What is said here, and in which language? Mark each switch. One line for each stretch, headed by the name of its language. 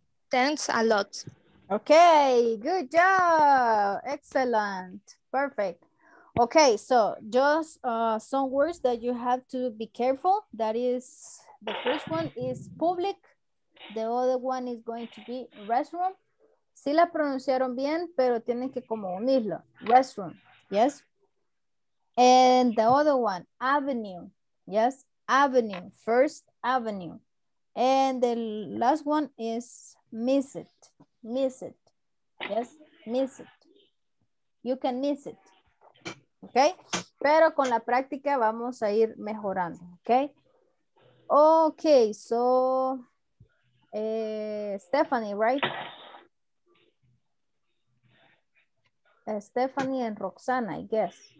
English: Thanks a lot. Okay, good job. Excellent. Perfect. Okay, so just some words that you have to be careful. That is, the first one is public. The other one is going to be restroom.
Spanish: Sí la pronunciaron bien, pero tienen que como unirlo.
English: Restroom, yes. And the other one, avenue, yes. Avenue, First Avenue. And the last one is miss it, yes, miss it. You can miss it, okay.
Spanish: Pero con la práctica vamos a ir mejorando, okay.
English: Okay, so Stephanie, right? Stephanie and Roxana, I guess.